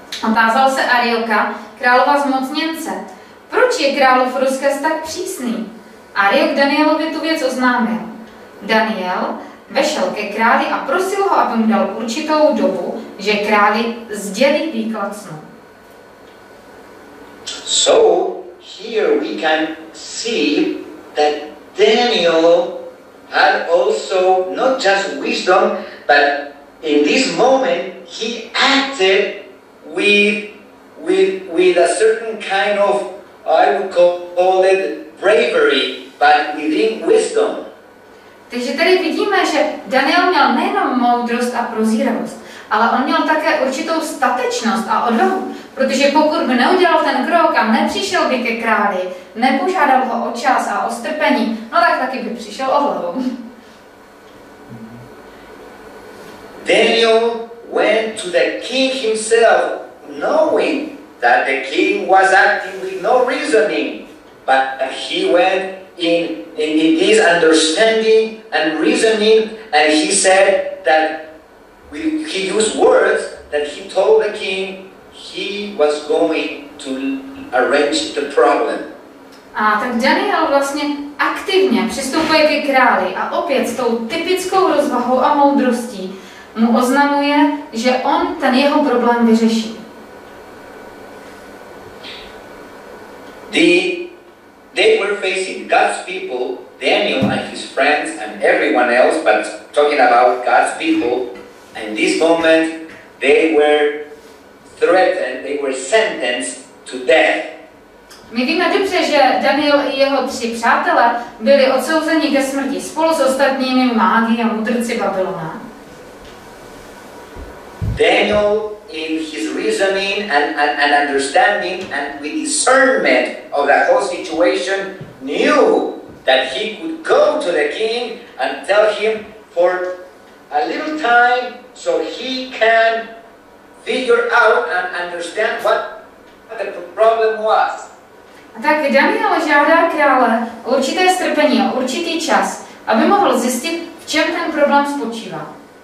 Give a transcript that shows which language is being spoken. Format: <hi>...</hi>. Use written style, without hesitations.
<cs>Otázal se Arioka, králova zmocněnce. Proč je králov Ruskes tak přísný? Ariok Danielovi tu věc oznámil. Daniel vešel ke králi a prosil ho, aby mu dal určitou dobu, že králi sdělí výklad snu.</cs> <en>So, here we can see that Daniel had also not just wisdom, but in this moment he acted with a certain kind of, I would call it bravery, but within wisdom.</en> <cs>Takže tady vidíme, že Daniel měl nejenom moudrost a prozíravost, ale on měl také určitou statečnost a odvahu, protože pokud by neudělal ten krok a nepřišel by ke králi, nepožádal ho o čas a o strpení, no tak taky by přišel o hlavu.</cs> <en>Daniel went to the king himself, knowing that the king was acting with no reasoning, but he went in his understanding and reasoning, and he said that he used words that he told the king he was going to arrange the problem.</en> <cs>A tak Daniel vlastně aktivně přistupuje ke králi a opět s tou typickou rozvahou a moudrostí mu oznamuje, že on ten jeho problém vyřeší.</cs> <en>They were facing God's people, Daniel and his friends and everyone else, but talking about God's people, in this moment they were threatened, they were sentenced to death.</en> <cs>My víme dobře, že Daniel i jeho tři přátelé byli odsouzeni ke smrti spolu s ostatními mágy a mudrci Babylona.</cs> <en>Daniel, in his reasoning and understanding and with discernment of the whole situation, knew that he could go to the king and tell him for a little time so he can figure out and understand what the problem was.</en> <cs>A tak Daniel žádá krále o určité strpení, o určitý čas, aby mohl zjistit, v čem ten problém spočívá.</cs>